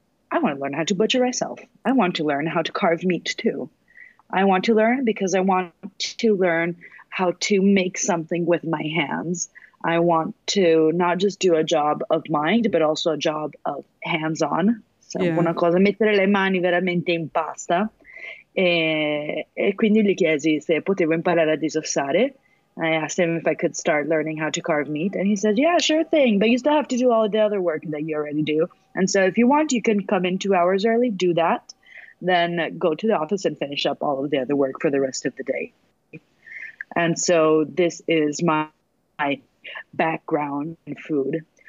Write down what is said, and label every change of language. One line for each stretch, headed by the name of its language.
English: I want to learn how to butcher myself. I want to learn how to carve meat too. I want to learn because I want to learn how to make something with my hands. I want to not just do a job of mind, but also a job of hands-on.
Italian: So una cosa, mettere le mani veramente in pasta. E quindi gli chiesi se potevo imparare a disossare.
English: I asked him if I could start learning how to carve meat. And he said, yeah, sure thing. But you still have to do all the other work that you already do. And so if you want, you can come in 2 hours early, do that. Then go to the office and finish up all of the other work for the rest of the day. And so this is my background in food.